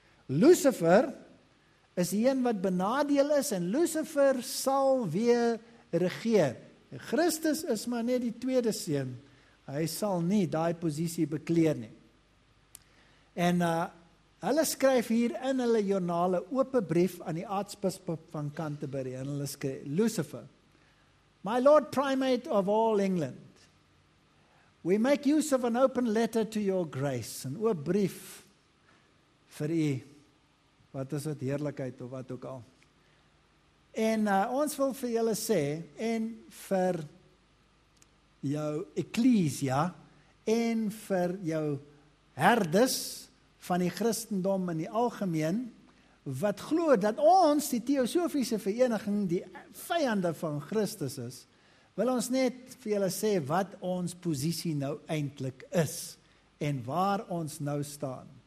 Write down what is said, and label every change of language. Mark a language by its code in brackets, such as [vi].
[af] Lucifer is die een wat benadeel is en Lucifer sal weer regeer. Christus is maar net die tweede seun. Hy sal nie daai posisie bekleer nie. En hulle skryf hier in hulle joernale oop brief aan die aartsbisskop van Canterbury en hulle skryf Lucifer. [en] My Lord Primate of all England. We make use of an open letter to your grace, [af] 'n oop brief vir u. Wat is dit heerlikheid of wat ook al. En ons wil vir julle sê en vir jou ekklesia en vir jou herdes van die Christendom in die algemeen, wat glo dat ons, die Teosofiese Vereniging, die vyande van Christus is, wil ons net vir julle sê wat ons posisie nou eintlik is en waar ons nou staan.